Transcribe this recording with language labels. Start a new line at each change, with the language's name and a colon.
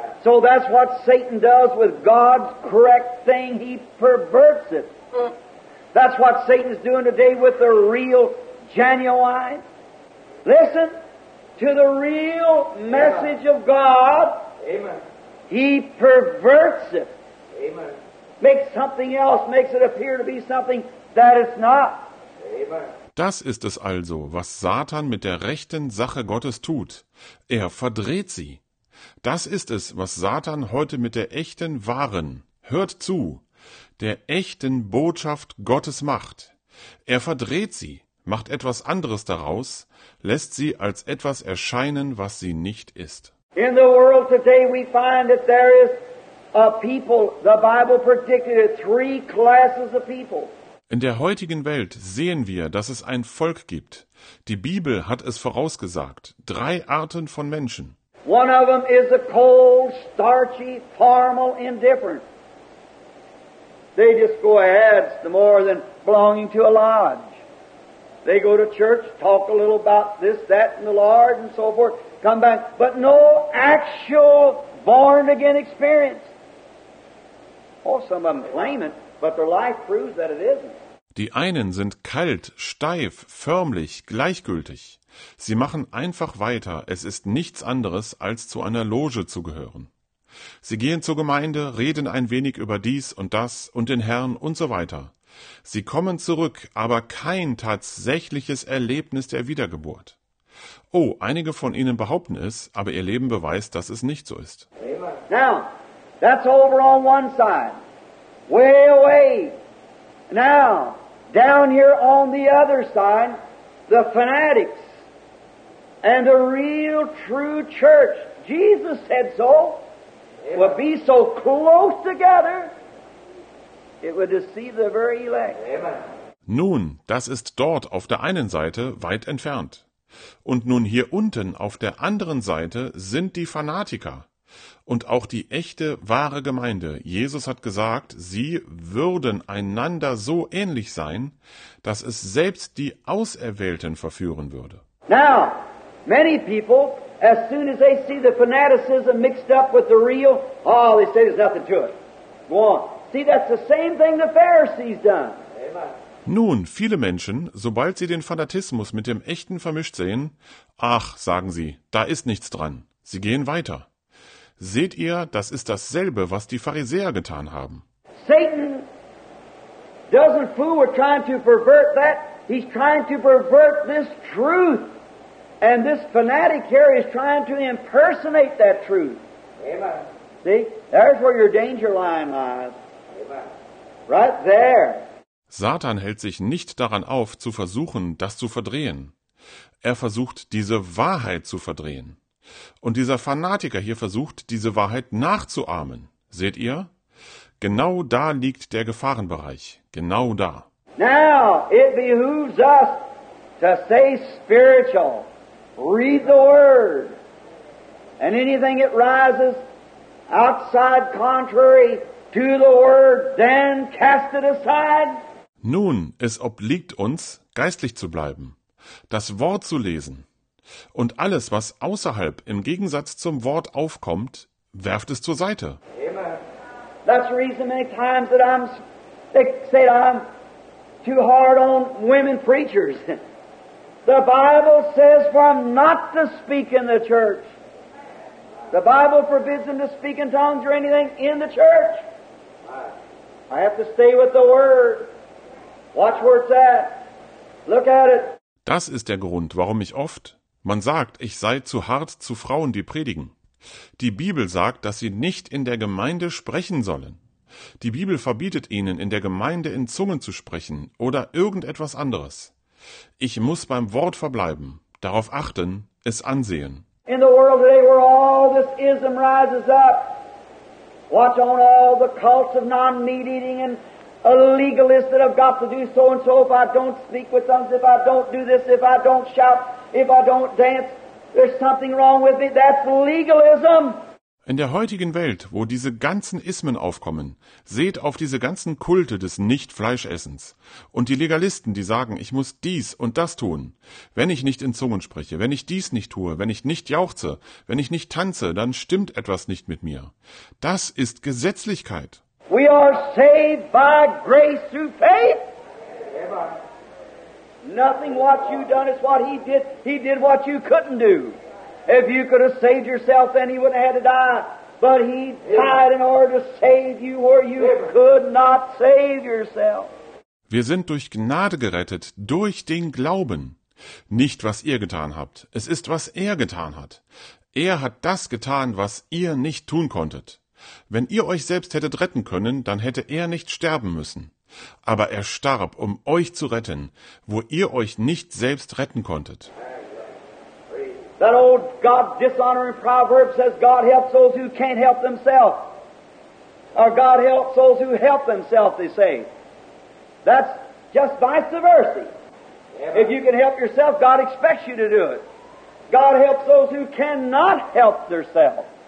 English: So that's what Satan does with God's correct thing. He perverts it. That's what Satan's doing today with the real genuine. Listen, to the real message of God, Amen. He perverts it. Amen. Makes something else, makes it appear to be something that it's not. Amen.
German: Das ist es also, was Satan mit der rechten Sache Gottes tut. Er verdreht sie. Das ist es, was Satan heute mit der echten, wahren, hört zu, der echten Botschaft Gottes macht. Er verdreht sie, macht etwas anderes daraus, lässt sie als etwas erscheinen, was sie nicht ist.
English: In the world today we find that there is a people, the Bible predicted it, three classes of people.
German: In der heutigen Welt sehen wir, dass es ein Volk gibt. Die Bibel hat es vorausgesagt. Drei Arten von Menschen.
English: One of them is a cold, starchy, formal indifference. They just go ahead, the more than belonging to a lodge. They go to church, talk a little about this, that, and the Lord, and so forth, come back. But no actual born-again experience. Oh, some of them claim it. But their life proves that it isn't.
German: Die einen sind kalt, steif, förmlich, gleichgültig. Sie machen einfach weiter, es ist nichts anderes, als zu einer Loge zu gehören. Sie gehen zur Gemeinde, reden ein wenig über dies und das und den Herrn und so weiter. Sie kommen zurück, aber kein tatsächliches Erlebnis der Wiedergeburt. Oh, einige von ihnen behaupten es, aber ihr Leben beweist, dass es nicht so ist.
English: Now, that's over on one side. Way away. Now, down here on the other side, the fanatics and the real true church. Jesus said so. Amen. Would be so close together, it would deceive the very elect. Amen.
German: Nun, das ist dort auf der einen Seite weit entfernt. Und nun hier unten auf der anderen Seite sind die Fanatiker. Und auch die echte, wahre Gemeinde, Jesus hat gesagt, sie würden einander so ähnlich sein, dass es selbst die Auserwählten verführen würde.
English: Now, many people, as soon as they see the fanaticism mixed up with the real, oh, they say there's nothing to it. Go on. See, that's the same thing the Pharisees done. Amen.
German: Nun, viele Menschen, sobald sie den Fanatismus mit dem Echten vermischt sehen, ach, sagen sie, da ist nichts dran. Sie gehen weiter. Seht ihr, das ist dasselbe, was die Pharisäer getan haben.
English: Satan doesn't fool with trying to pervert that. He's trying to pervert this truth. And this fanatic here is trying to impersonate that truth. Amen. See, there's where your danger line lies. Amen. Right there.
German: Satan hält sich nicht daran auf, zu versuchen, das zu verdrehen. Er versucht, diese Wahrheit zu verdrehen. Und dieser Fanatiker hier versucht, diese Wahrheit nachzuahmen. Seht ihr? Genau da liegt der Gefahrenbereich. Genau da.
English: Now, it behooves us to stay spiritual. Read the Word. And anything that rises outside contrary to the Word, then cast it aside.
German: Nun, es obliegt uns, geistlich zu bleiben, das Wort zu lesen. Und alles, was außerhalb im Gegensatz zum Wort aufkommt, werft es zur Seite.
English: Amen. That's the reason many times that I'm, they say I'm too hard on women preachers. The Bible says for them not to speak in the church. The Bible forbids them to speak in tongues or anything in the church. I have to stay with the Word. Watch where it's at. Look at it.
German: Das ist der Grund, warum ich oft... Man sagt, ich sei zu hart zu Frauen, die predigen. Die Bibel sagt, dass sie nicht in der Gemeinde sprechen sollen. Die Bibel verbietet ihnen, in der Gemeinde in Zungen zu sprechen oder irgendetwas anderes. Ich muss beim Wort verbleiben, darauf achten, es ansehen.
English: In the world today where all this ism rises up, watch on all the cults of non-meat eating and a legalist that have got to do so and so, if I don't speak with them, if I don't do this, if I don't shout, if I don't dance, there's something wrong with me. That's legalism.
German: In der heutigen Welt, wo diese ganzen Ismen aufkommen, seht auf diese ganzen Kulte des Nicht-Fleischessens und die Legalisten, die sagen, ich muss dies und das tun. Wenn ich nicht in Zungen spreche, wenn ich dies nicht tue, wenn ich nicht jauchze, wenn ich nicht tanze, dann stimmt etwas nicht mit mir. Das ist Gesetzlichkeit.
English: We are saved by grace through faith. Amen. Nothing what you done is what he did. He did what you couldn't do. If you could have saved yourself, then he would have had to die. But he died in order to save you where you could not save yourself.
German: Wir sind durch Gnade gerettet, durch den Glauben. Nicht, was ihr getan habt. Es ist, was er getan hat. Er hat das getan, was ihr nicht tun konntet. Wenn ihr euch selbst hättet retten können, dann hätte er nicht sterben müssen. Aber er starb, um euch zu retten, wo ihr euch nicht selbst retten konntet.
English: That old God dishonoring proverb says, God helps those who can't help themselves. Or God helps those who help themselves, they say. That's just vice versa. If you can help yourself, God expects you to do it. God helps those who cannot help themselves.